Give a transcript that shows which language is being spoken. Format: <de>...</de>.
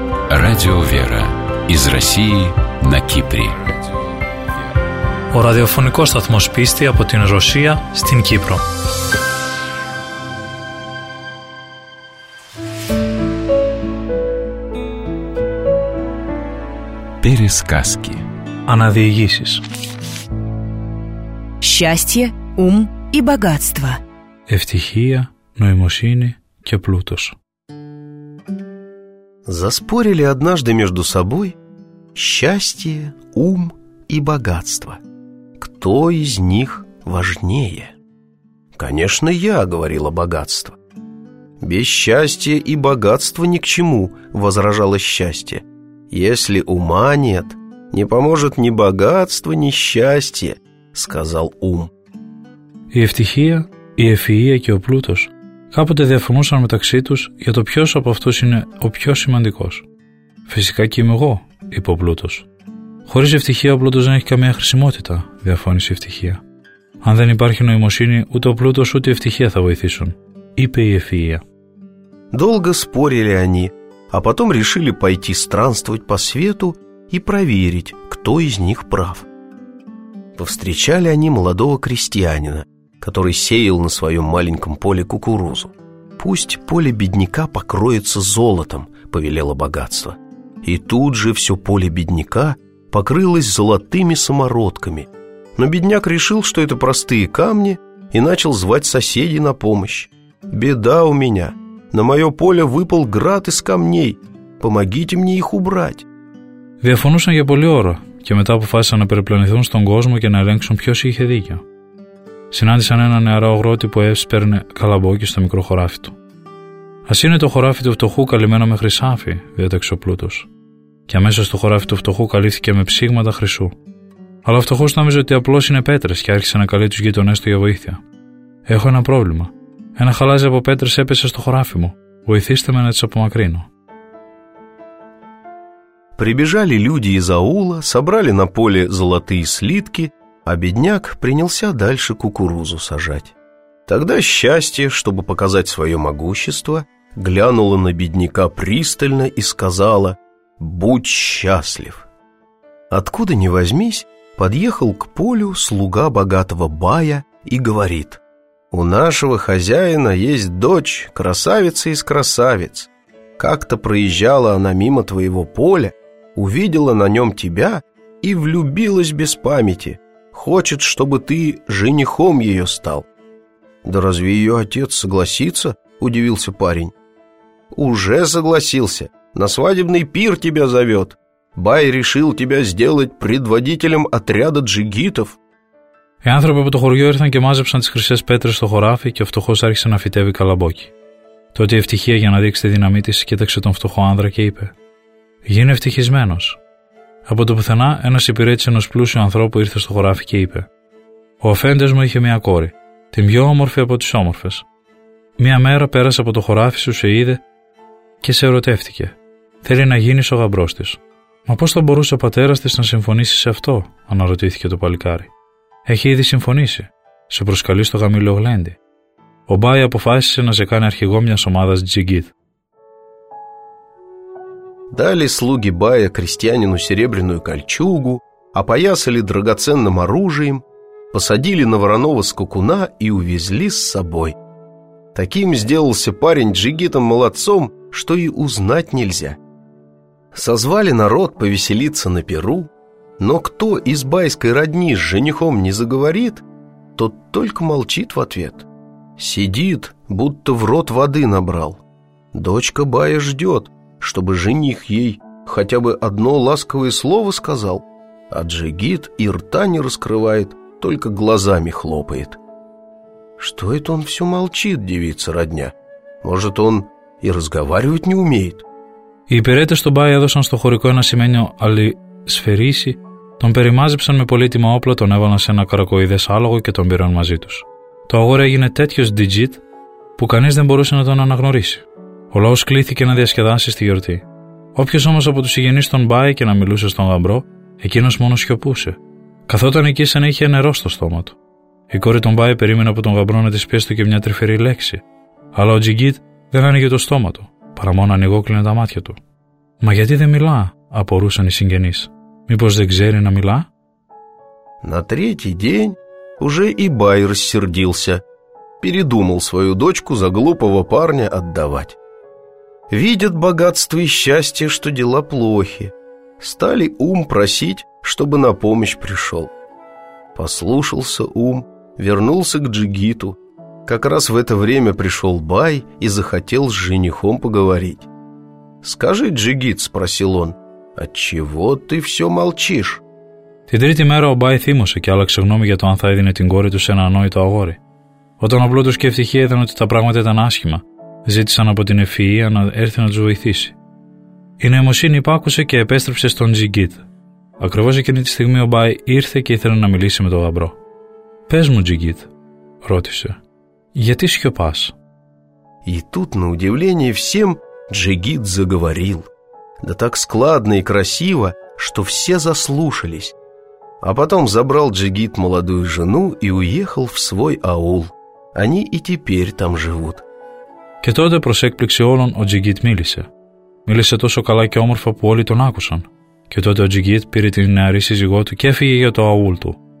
<ru>Радио Вера из России на Кипре.</ru> <el>Ο ραδιοφωνικός σταθμός πίστη από την Ρωσία στην Κύπρο.</el> <ru>Пересказки.</ru> <el>Αναδιηγήσεις.</el> <ru>Счастье, ум и богатство.</ru> <el>Ευτυχία, νοημοσύνη και πλούτος.</el> <ru>Заспорили однажды между собой счастье, ум и богатство. Кто из них важнее? Конечно, я говорила богатство. Без счастья и богатства ни к чему, возражало счастье. Если ума нет, не поможет ни богатство, ни счастье, сказал ум.</ru> <el>И ευτυχία, и ευφυΐα και ο πλούτος κάποτε διαφωνούσαν μεταξύ τους για το ποιος από αυτούς είναι ο πιο σημαντικός. Φυσικά και είμαι εγώ, είπε ο πλούτος. Χωρίς ευτυχία ο πλούτος δεν έχει καμία χρησιμότητα, διαφώνησε η ευτυχία. Αν δεν υπάρχει νοημοσύνη, ούτε ο πλούτος ούτε η ευτυχία θα βοηθήσουν, είπε η ευφυΐα.</el> <ru>Долго спорили они, а потом решили пойти странствовать по свету и проверить, кто из них прав. Повстречали они молодого крестьянина, который сеял на своем маленьком поле кукурузу. «Пусть поле бедняка покроется золотом», — повелело богатство. И тут же все поле бедняка покрылось золотыми самородками. Но бедняк решил, что это простые камни, и начал звать соседей на помощь. «Беда у меня! На мое поле выпал град из камней! Помогите мне их убрать!»</ru> <el>Διафонούσαν για πολλή ώρα και μετά αποφάσισαν να περιπλανηθούν στον κόσμο και να ελέγξουν ποιος είχε δίκιο. Συνάντησαν ένα νεαρό αγρότη που έσπερνε καλαμπόκι στο μικρό χωράφι του. «Ας είναι το χωράφι του φτωχού καλυμμένο με χρυσάφι», διέταξε ο πλούτος. Και αμέσως το χωράφι του φτωχού καλύφθηκε με ψήγματα χρυσού. Αλλά ο φτωχός νόμιζε ότι απλώς είναι πέτρες και άρχισε να καλεί τους γείτονές του για βοήθεια. «Έχω ένα πρόβλημα. Ένα χαλάζι από πέτρες έπεσε στο χωράφι μου. Βοηθήστε με να τις απομακρύνω».</el> <ru>Прибежали люди из аула, собрали на поле золотые слитки. А бедняк принялся дальше кукурузу сажать. Тогда счастье, чтобы показать свое могущество, глянуло на бедняка пристально и сказала: «Будь счастлив». Откуда ни возьмись, подъехал к полю слуга богатого бая и говорит: «У нашего хозяина есть дочь, красавица из красавиц. Как-то проезжала она мимо твоего поля, увидела на нем тебя и влюбилась без памяти. Хочет, чтобы ты женихом ее стал». «Да разве ее отец согласится?» – удивился парень. «Уже согласился. На свадебный пир тебя зовет. Бай решил тебя сделать предводителем отряда джигитов».</ru> <el>Οι άνθρωποι από το χωριό ήρθαν και μάζεψαν τις χρυσές πέτρες στο χωράφι και ο φτωχός άρχισε να φυτεύει καλαμπόκι. Τότε η ευτυχία για να δείξει τη δύναμή της κοίταξε τον φτωχό άνδρα και είπε: «Γίνε ευτυχισμένος». Από το πουθενά, ένας υπηρέτης ενός πλούσιου ανθρώπου ήρθε στο χωράφι και είπε: «Ο αφέντης μου είχε μια κόρη, την πιο όμορφη από τις όμορφες. Μια μέρα πέρασε από το χωράφι σου, σε είδε και σε ερωτεύτηκε. Θέλει να γίνεις ο γαμπρός της. Μα πώς θα μπορούσε ο πατέρας της να συμφωνήσει σε αυτό, αναρωτήθηκε το παλικάρι. Έχει ήδη συμφωνήσει. Σε προσκαλεί στο γαμήλιο γλέντι. Ο Μπάι αποφάσισε να σε κάνει αρχηγό μιας ομάδας τζιγκίδ.</el> <ru>Дали слуги Бая крестьянину серебряную кольчугу, опоясали драгоценным оружием, посадили на вороного скакуна и увезли с собой. Таким сделался парень джигитом молодцом, что и узнать нельзя. Созвали народ повеселиться на перу, но кто из байской родни с женихом не заговорит, тот только молчит в ответ. Сидит, будто в рот воды набрал. Дочка Бая ждет, чтобы жених ей хотя бы одно ласковое слово сказал, а джигит и рта не раскрывает, только глазами хлопает. «Что это он все молчит, девица родня? Может, он и разговаривать не умеет?»</ru> <el>Οι υπηρέτες στον Μπάι έδωσαν στο χωρικό ένα σημαίνιο αλισφαιρίσι, τον περιμάζεψαν με πολύτιμα όπλα, τον έβαλαν σε ένα καρακοειδές άλογο και τον πήραν μαζί τους. Το αγόρι έγινε τέτοιος διτζίτ που κανείς δεν μπορούσε να τον αναγνωρίσει. Ο λαός κλήθηκε να διασκεδάσει στη γιορτή. Όποιος όμως από τους συγγενείς τον Μπάι και να μιλούσε στον γαμπρό, εκείνος μόνο σιωπούσε. Καθόταν εκεί σαν να είχε νερό στο στόμα του. Η κόρη τον Μπάι περίμενε από τον γαμπρό να της πιέσει και μια τρυφερή λέξη, αλλά ο τζιγκίτ δεν άνοιγε το στόμα του. Παρά μόνο ανοιγόκλεινε τα μάτια του. «Μα γιατί δεν μιλά?» απορούσαν οι συγγενείς. «Μήπως δεν ξέρει να μιλά?»</el> <ru>На третий день уже и Бай рассердился. Передумал свою дочку за глупого парня отдавать. Видят богатство и счастье, что дела плохи. Стали ум просить, чтобы на помощь пришел. Послушался ум, вернулся к джигиту. Как раз в это время пришел Бай и захотел с женихом поговорить. «Скажи, джигит», — спросил он, — «отчего ты все молчишь?»</ru> <el>Την τρίτη мэра ο Бай θύμωσε και άλλαξε γνώμη για το αν θα έδινε την κόρη του σε ένα ανόητο αγόρι. Όταν ο πλούτος και ευτυχία είδαν ότι τα πράγματα ήταν άσχημα, ζήτησαν από την ευφυΐα να έρθει να τους βοηθήσει. Η νοημοσύνη υπάκουσε και επέστρεψε στον τζιγκίτ. Ακριβώς εκείνη τη στιγμή ο Μπάι ήρθε και ήθελε να μιλήσει με τον γαμπρό. «Πες μου, τζιγκίτ», ρώτησε. «Γιατί σιωπάς?»</el> <ru>И тут, на удивление всем, джигит заговорил. Да так складно и красиво, что все заслушались. А потом забрал джигит молодую жену и уехал в свой аул. Они и теперь там живут.</ru> <el>Και τότε, προς έκπληξη όλων, ο джигит μίλησε. Μίλησε τόσο καλά και όμορφα που όλοι τον άκουσαν. Και τότε ο джигит πήρε την νεαρή σύζυγό του και έφυγε για το аул του.</el>